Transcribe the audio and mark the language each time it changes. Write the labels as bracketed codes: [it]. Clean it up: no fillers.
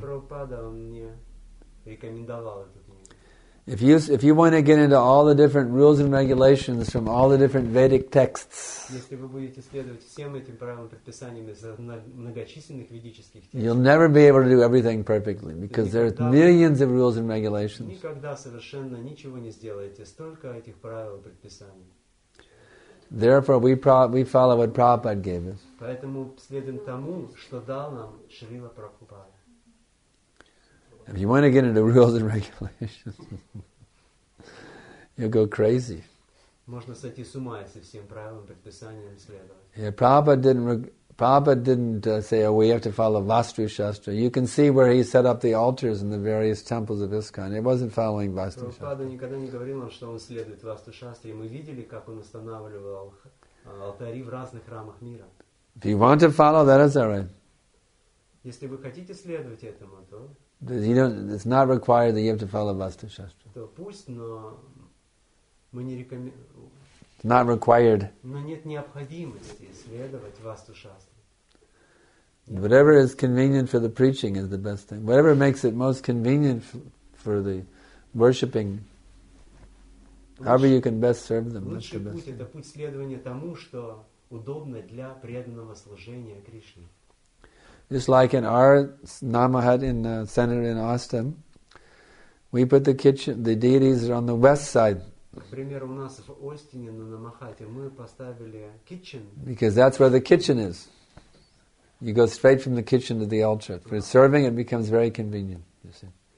[ru] Прабхупада он не рекомендовал этот. [en] If you want to get into all the different rules and regulations from all the different Vedic texts, [ru] если вы будете следовать всем этим правилам и предписаниям из многочисленных ведических текстов, [en] you'll never be able to do everything perfectly because there are millions of rules and regulations. [ru] Никогда совершенно ничего не сделаете, столько этих правил и предписаний. [en] Therefore, we follow what Prabhupada gave us. [ru] Поэтому следуем тому, что дал нам Шрила Прабхупада. [en] If you want to get into rules and regulations, you'll go crazy. [ru] Можно сойти с ума, если всем правилам, предписаниям следовать. [en] Yeah, Prabhupada didn't say, "Oh, we have to follow Vastu Shastra." You can see where he set up the altars in the various temples of ISKCON. It wasn't following Vastu Shastra. [ru] Prabhupada никогда не говорил нам, что он следует Vastu Shastra, и мы видели, как он устанавливал алтари в разных храмах мира. [en] If you want to follow, that is all right. [ru] Если вы хотите следовать этому, то [en] It's not required that you have to follow Vastu Shastra. [ru] То пусть, но мы не рекомендуем. [en] Not required. [ru] Но нет необходимости следовать Vastu Shastra. [en] Whatever is convenient for the preaching is the best thing. Whatever makes it most convenient for the worshipping, however you can best serve them. [ru] Лучший путь — это путь следования тому, что удобно для преданного служения Кришне. [en] Just like in our Namahat in the center in Austin, we put the kitchen, the deities are on the west side. [ru] Например, у нас в Остине на Намахате мы поставили kitchen. [en] Because that's where the kitchen is. You go straight from the kitchen to the altar. For serving, it becomes very convenient, you see.